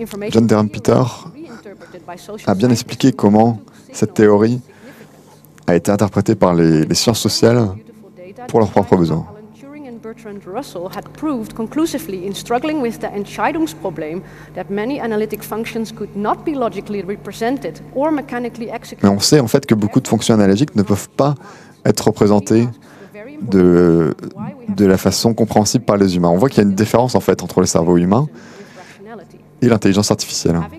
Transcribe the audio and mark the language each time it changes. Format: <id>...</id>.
<fr>John Durham-Peters a bien expliqué comment cette théorie a été interprétée par les sciences sociales pour leurs propres besoins.</fr> <en>Bertrand Russell had proved conclusively in struggling with the Entscheidungsproblem that many analytic functions could not be logically represented or mechanically executed.</en> <fr>Mais on sait en fait que beaucoup de fonctions analogiques ne peuvent pas être représentées de la façon compréhensible par les humains. On voit qu'il y a une différence en fait entre le cerveau humain et l'intelligence artificielle.</fr>